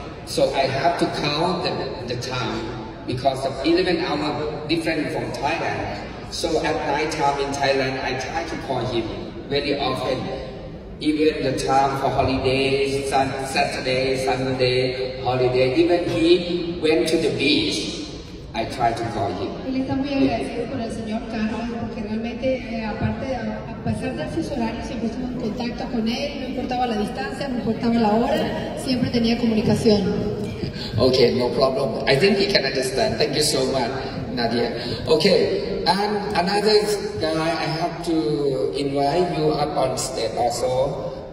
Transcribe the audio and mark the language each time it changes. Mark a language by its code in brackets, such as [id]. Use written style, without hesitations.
[en] So I have to count the time because of 11 hours different from Thailand. So at night time in Thailand, I try to call him very often. Even the time for holidays, Saturday, Sunday, holiday. Even he went to the beach, I try to call him. [es] Él está muy agradecido con el señor Carlos porque realmente, aparte de pasar de sus horarios, siempre estuvo en contacto con él. No importaba la distancia, no importaba la hora, siempre tenía comunicación. [en] Okay, no problem. I think he can understand. Thank you so much, Nadia. Okay, and another guy I have to invite you up on stage also.